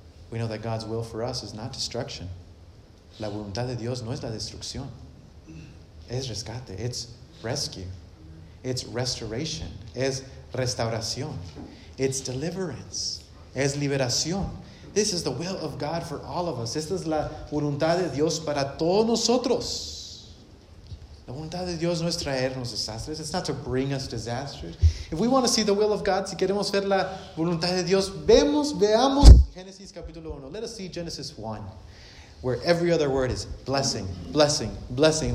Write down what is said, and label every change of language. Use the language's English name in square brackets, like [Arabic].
[English] We know that God's will for us is not destruction. [Spanish] La voluntad de Dios no es la destrucción. Es rescate. [English] It's rescue. It's restoration. [Spanish] Es restauración. [English] It's deliverance. [Spanish] Es liberación. [English] This is the will of God for all of us. [Spanish] Esta es la voluntad de Dios para todos nosotros. La voluntad de Dios no es traernos desastres. [English] It's not to bring us disasters. If we want to see the will of God, [Spanish] si queremos ver la voluntad de Dios, veamos Genesis capítulo 1. [English] Let us see Genesis 1, where every other word is blessing, blessing, blessing.